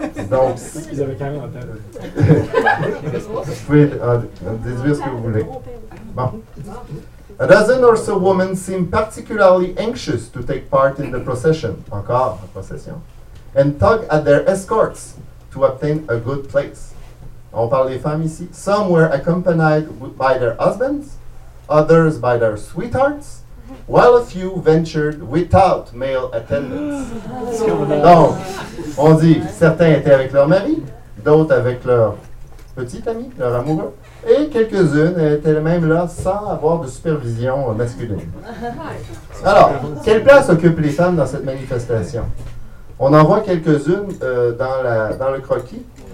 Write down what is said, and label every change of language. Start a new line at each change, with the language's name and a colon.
French: Donc, vous pouvez déduire ce que vous voulez. Bon.
English: A dozen or so women seemed particularly anxious to take part in the procession,
French: encore la procession,
English: and tug at their escorts to obtain a good place.
French: On parle des femmes ici.
English: Some were accompanied by their husbands, others by their sweethearts, while a few ventured without male attendants.
French: Donc, on dit, certains étaient avec leur mari, d'autres avec leur petit ami, leur amoureux. Et quelques-unes étaient même là sans avoir de supervision masculine. Alors, quelle place occupent les femmes dans cette manifestation? On en voit quelques-unes dans le croquis.